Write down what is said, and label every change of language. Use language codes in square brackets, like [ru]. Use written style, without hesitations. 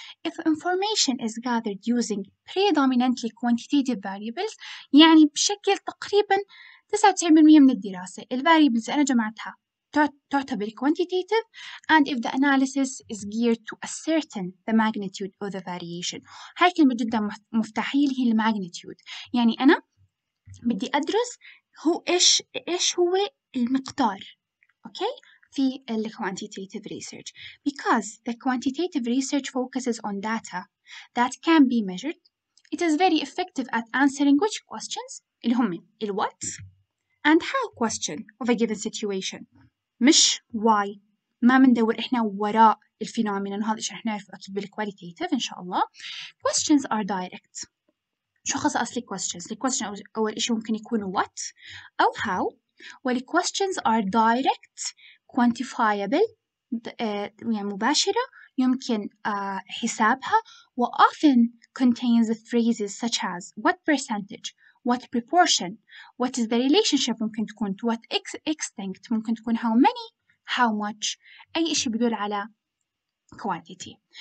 [en] If information is gathered using predominantly quantitative variables، [ar] يعني بشكل تقريباً 99% من الدراسة الvariables أنا جمعتها تعتبر quantitative, [en] and if the analysis is geared to ascertain the magnitude of the variation. [ar] هاي كلمة جدا مفتاحية اللي هي magnitude. يعني أنا بدي أدرس هو إيش هو المقدار. okay. في ال quantitative research. [en] Because the quantitative research focuses on data that can be measured, it is very effective at answering which questions [ar] اللي هم [en] ال what and how question of a given situation. [ar] مش why، ما مندور إحنا وراء الفينومينا، وهذا إيش رح نعرفه أكيد بالكواليتيتيف إن شاء الله. [en] questions are direct. [ar] شو خصائص الـ questions؟ الـ questions أول إشي ممكن يكون what أو how، والـ questions are direct quantifiable، يعني مباشرة يمكن حسابها، و [en] often contains phrases such as what percentage، [ar] what proportion، what is the relationship ممكن تكون to what extent ممكن تكون how many، how much، أي إشي بدل على quantity.